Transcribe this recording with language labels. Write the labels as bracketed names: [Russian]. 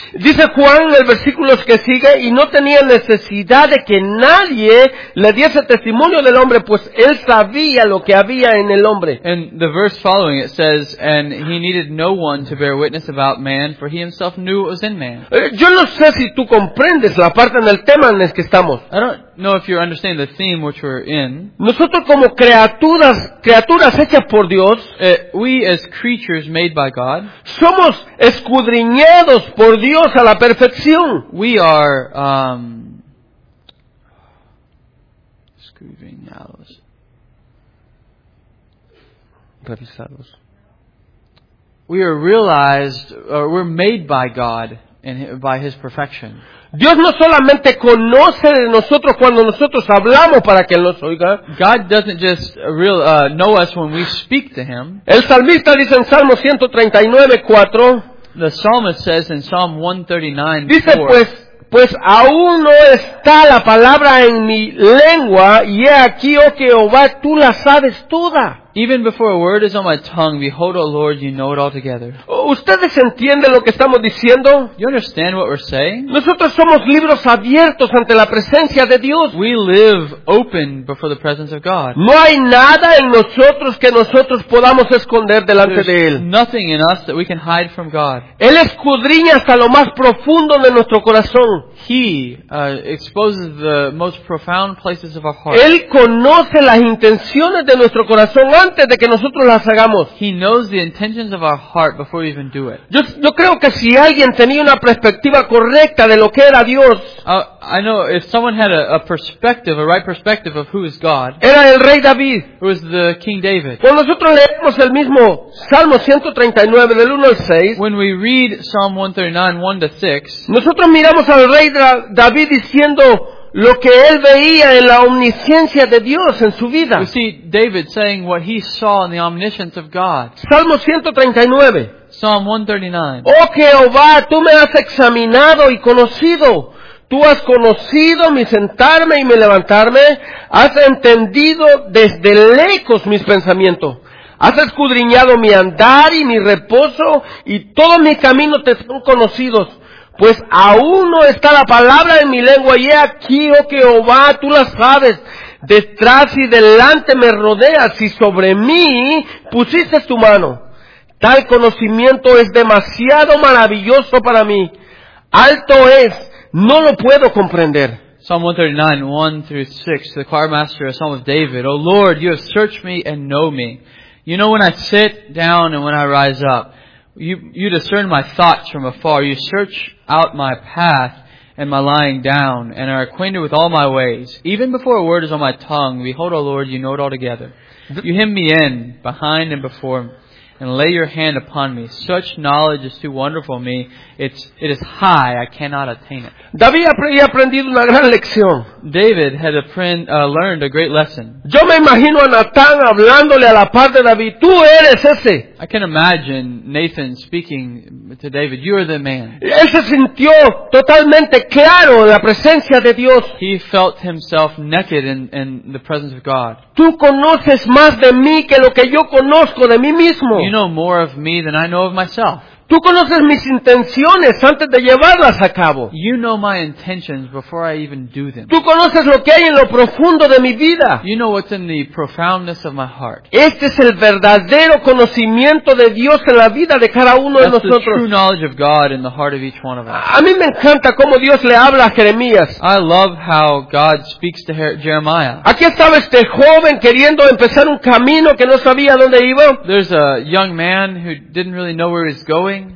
[Spanish] Dice Juan en el versículo que sigue, y no tenía necesidad de que nadie le diese testimonio del hombre, pues él sabía lo que había en el hombre. [English] And the verse following it says, and he needed no one to bear witness about man, for he himself knew what was in man. [Spanish] Yo no sé si tú comprendes la parte en el tema en el que estamos. [English] I don't know if you understand the theme which we're in. [Spanish] Nosotros como criaturas por Dios, [English] we as creatures made by God, [Spanish] somos escudriñados por Dios a la perfección. [English] We are escudriñados. [Spanish] Revisados. [English] We are realized, or we're made by God and by His perfection. [Spanish] Dios no solamente conoce de nosotros cuando nosotros hablamos para que Él nos oiga. [English] God doesn't just know us when we speak to Him. [Spanish] El salmista dice en Salmo 139:4. [English] The psalmist says in Psalm 139:4. [Spanish] Dice pues aún no está la palabra en mi lengua y he aquí, oh Jehová, tú la sabes toda. [English] Even before a word is on my tongue, behold, O Lord, you know it altogether. [Spanish] ¿Ustedes entienden lo que estamos diciendo? [English] You understand what we're saying? [Spanish] Nosotros somos libros abiertos ante la presencia de Dios. [English] We live open before the presence of God. [Spanish] No hay nada en nosotros que nosotros podamos esconder delante de Él. [English] There's nothing in us that we can hide from God. [Spanish] Él escudriña hasta lo más profundo de nuestro corazón. [English] He exposes the most profound places of our heart. [Spanish] Él conoce las intenciones de nuestro corazón antes de que nosotros las hagamos. [English] He knows the intentions of our heart before we even do it. [Spanish] Yo creo que si alguien tenía una perspectiva correcta de lo que era Dios, [English] I know if someone had a right perspective of who is God, [Spanish] era el rey David. [English] It was the King David. [Spanish] Cuando nosotros leemos el mismo Salmo 139 del 1 al 6, [English] when we read Psalm 139, 1 to 6, [Spanish] nosotros miramos al rey David diciendo lo que él veía en la omnisciencia de Dios en su vida. [English] You see, David saying what he saw in the omniscience of God. [Spanish] Salmo 139. [English] Psalm 139. [Spanish] Oh Jehová, tú me has examinado y conocido. Tú has conocido mi sentarme y mi levantarme. Has entendido desde lejos mis pensamientos. Has escudriñado mi andar y mi reposo, y todos mis caminos te son conocidos. Pues aún no está la palabra en mi lengua, y he aquí, oh Jehová, tú la sabes. Detrás y delante me rodeas, y sobre mí pusiste tu mano. Tal conocimiento es demasiado maravilloso para mí. Alto es, no lo puedo comprender. [English] Psalm 139, 1 through 6, the choir master, a psalm of David. O Lord, you have searched me and know me. You know when I sit down and when I rise up. You discern my thoughts from afar. You search out my path and my lying down, and are acquainted with all my ways. Even before a word is on my tongue, behold, O Lord, you know it altogether. You hem me in, behind and before, and lay your hand upon me. Such knowledge is too wonderful for me. It is high. I cannot attain it. [Spanish] David había aprendido una gran lección. [English] David had learned a great lesson. [Spanish] Yo me imagino a Natán hablándole a la par de David. Tú eres ese. [English] I can imagine Nathan speaking to David. You are the man. [Spanish] Él se sintió totalmente claro en la presencia de Dios. [English] He felt himself naked in the presence of God. [Spanish] Tú conoces más de mí que lo que yo conozco de mí mismo. [English] You know more of me than I know of myself. [Spanish] Tú conoces mis intenciones antes de llevarlas a cabo. [English] You know my intentions before I even do them. [Spanish] Tú conoces lo que hay en lo profundo de mi vida. [English] You know what's in the profoundness of my heart. [Spanish] Este es el verdadero conocimiento de Dios en la vida de cada uno [English] That's [Spanish] de nosotros. [English] That's the true knowledge of God in the heart of each one of us. [Spanish] A mí me encanta cómo Dios le habla a Jeremías. [English] I love how God speaks to Jeremiah. [Spanish] Aquí estaba este joven queriendo empezar un camino que no sabía dónde iba. [English] There's a young man who didn't really know where he's going.